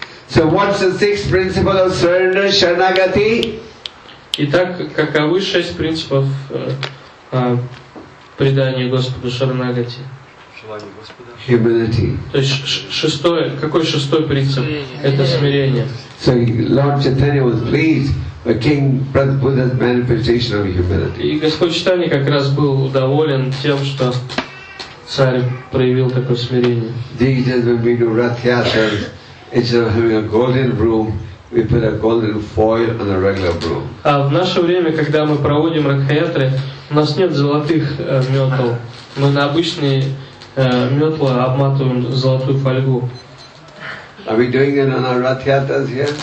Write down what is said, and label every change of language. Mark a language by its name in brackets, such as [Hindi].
[English] So what's the sixth principle of surrender, Sharanagati? [Russian] Итак, каковы шесть принципов предания Господу Шаранагати? [English] Humility. [Russian] То есть шестой, какой шестой принцип? Это смирение. [English] So Lord Chaitanya was pleased by King Buddha's manifestation of humility. [Russian] И Господь Читания как раз был доволен тем, что царь проявил такое смирение. [English] These days when we do rathyatras, instead of having a golden broom, we put a golden foil on a regular broom. [Russian] А в наше время, когда мы проводим рахьятры, у нас нет золотых метел. Мы на обычные метлы обматываем золотую фольгу. [English] Are we doing it on our rathyatras here?